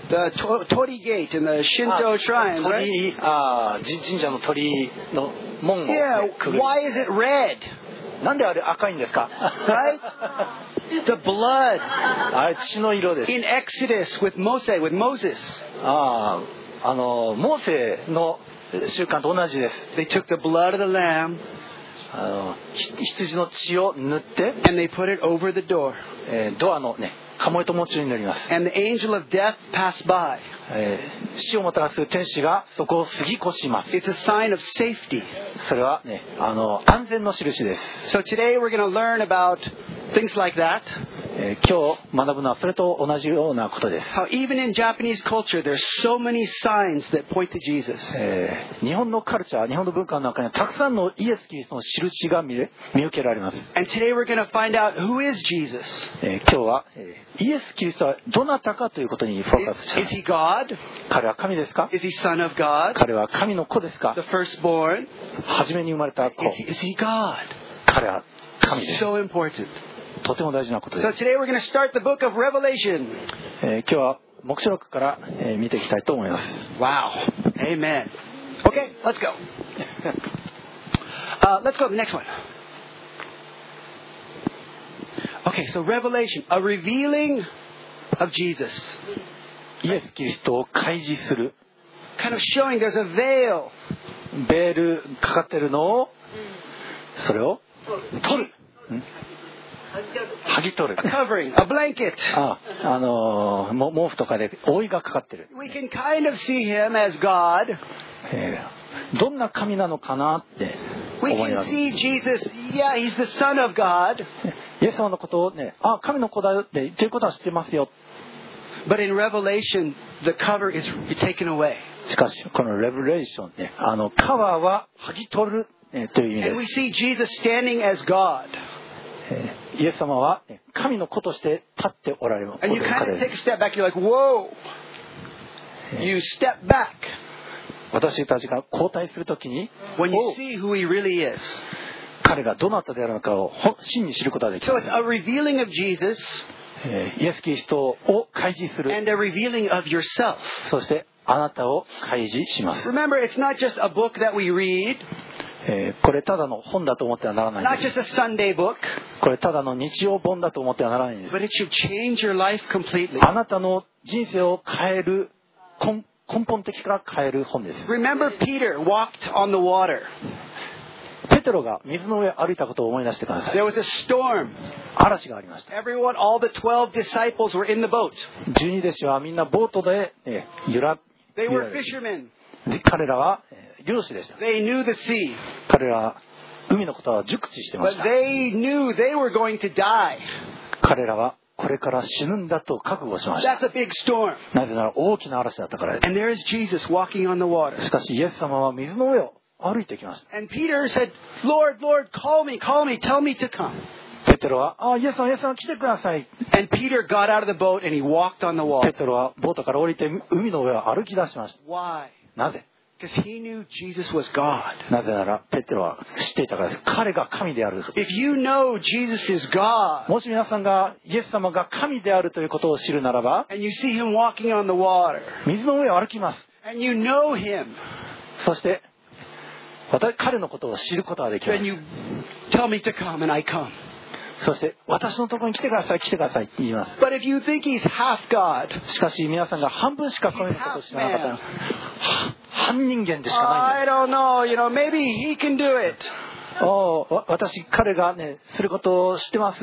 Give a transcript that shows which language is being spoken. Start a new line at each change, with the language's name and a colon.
English: The tori gate in the Shinto shrine, right?
Japanese: 神社の鳥の門を。
English: Yeah. Why is it red?
Japanese: なんであれ赤いんですか?
English: Right. The blood.
Japanese: あれ血の色です。
English: In Exodus with Moses, with Moses.
Japanese: モーセの習慣と同じです。
English: They took the blood of the lamb.
Japanese: 羊の血を塗って。
English: And they put it over the door.
Japanese: ドアのね、カモイと門中になります。
English: And the angel of death passed by.
Japanese: 死をもたらす天使がそこを過ぎ越します。
English: It's a sign of safety.
Japanese: それはね、安全の印です。
English: So today we're going to learn about things like that.
Japanese: 今日学ぶのはそれと同じようなことです。
English: How even in Japanese culture, there's so many signs that point to Jesus.
Japanese: 日本のカルチャー、日本の文化の中にはたくさんのイエス・キリストの印が見受けられます。
English: And today we're going to find out who is Jesus.
Japanese: 今日はイエス・キリストはどなたかということにフォーカスします。
English: Is he God?
Japanese: 彼は神ですか?
English: Is he son of God?
Japanese: 彼は神の子ですか?
English: The firstborn?
Japanese: 初めに生まれた子。
English: Is he God?
Japanese: 彼は神です。
English: So important.
Japanese: とても大事なことです。
English: So today we're going to start the book of Revelation.
Japanese: 今日は黙示録から見ていきたいと思います。
English: Wow. Amen. Okay, let's go. Let's go to the next one. Okay, so Revelation, a revealing of Jesus.
Japanese: イエス・キリストを開示する。
English: Kind of showing there's a veil.
Japanese: ベールかかってるのをそれを取る。剥ぎ取る。
English: A covering, a blanket.
Japanese: 毛布とかで覆いがかかってる。
English: We can kind of see him as God.
Japanese: どんな神なのかなって思います。
English: We can see Jesus. Yeah, he's the Son of God.
Japanese: イエス様のことをね、あ、神の子だよっていうことは知ってますよ。
English: But in Revelation, the cover is taken away.
Japanese: しかしこのレベレーションね、カバーは剥ぎ取る、という意味です。
English: And we see Jesus standing as God.
Japanese: イエス様は神の子として立っておられる。
English: And you kind of take a step back. You're like, whoa. You step back.
Japanese: 私たちが後退するときに、
English: When you see who he really is.
Japanese: 彼がどなたであるのかを真に知ることができる。
English: So it's a revealing of Jesus.
Japanese: イエス・キリストを開示する。
English: And a revealing of yourself.
Japanese: そしてあなたを開示します。
English: Remember, it's not just a book that we read.
Japanese: これただの本だと思ってはならないんです。
English: Not just a Sunday book.
Japanese: これただの日曜本だと思ってはならないんです。
English: But it should change your life completely.
Japanese: あなたの人生を変える根本的から変える本です。
English: Remember Peter walked on the water.
Japanese: ペテロが水の上を歩いたことを思い出してください。
English: There was a storm.
Japanese: 嵐がありました。
English: Everyone, all the 12 disciples were in the boat.
Japanese: 12弟子はみんなボートで
English: They were fishermen.
Japanese: 彼らは漁師でした。
English: They knew the sea.
Japanese: 彼らは海のことは熟知してました。
English: But they knew they were going to die.
Japanese: 彼らはこれから死ぬんだと覚悟しました。
English: That's a big storm.
Japanese: なぜなら大きな嵐だったからです。
English: And there is Jesus walking on the water.
Japanese: しかしイエス様は水の上を歩いてきました。
English: And Peter said, Lord, Lord, call me, tell me to come.
Japanese: ペテロは、あ、イエス様、イエス様、来てください。
English: And Peter got out of the boat and he walked on the water.
Japanese: ペテロはボートから降りて海の上を歩き出しました。
English: Why?
Japanese: なぜ？
English: Because he knew Jesus was God.
Japanese: なぜならペテロは知っていたからです。彼が神である。
English: If you know Jesus is God,
Japanese: もし皆さんがイエス様が神であるということを知るならば、
English: and you see him walking on the water,
Japanese: 水の上を歩きます。
English: And you know him,
Japanese: そして私彼のことを知ることができます。
English: Then you tell me to come and I come.
Japanese: そして私のところに来てください、来てくださいって言います。
English: But if you think he's half God,
Japanese: しかし皆さんが半分しか神のことを知らなかったら。半人間でしかないんです。
English: I don't know. You know, maybe he can do it.
Japanese: Oh, 私彼がねすることを知ってます。